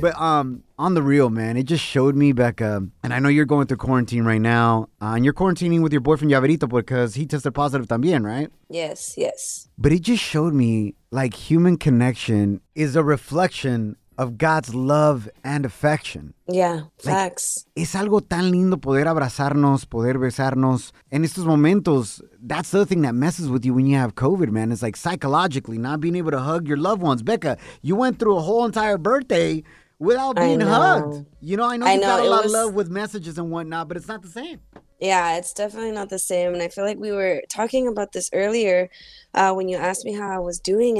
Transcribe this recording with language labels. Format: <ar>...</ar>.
<en>But on the real, man, it just showed me, Becca, and I know you're going through quarantine right now, and you're quarantining with your boyfriend, Yaverito, because he tested positive también, right? Yes, yes. But it just showed me, like, human connection is a reflection of God's love and affection. Yeah, facts. Like,</en> <es>es algo tan lindo poder abrazarnos, poder besarnos. En estos momentos,</es> <en>that's the thing that messes with you when you have COVID, man. It's like psychologically not being able to hug your loved ones. Becca, you went through a whole entire birthday without being hugged. You know, I know you've got a lot of love with messages and whatnot, but it's not the same. Yeah, it's definitely not the same. And I feel like we were talking about this earlier when you asked me how I was doing.</en>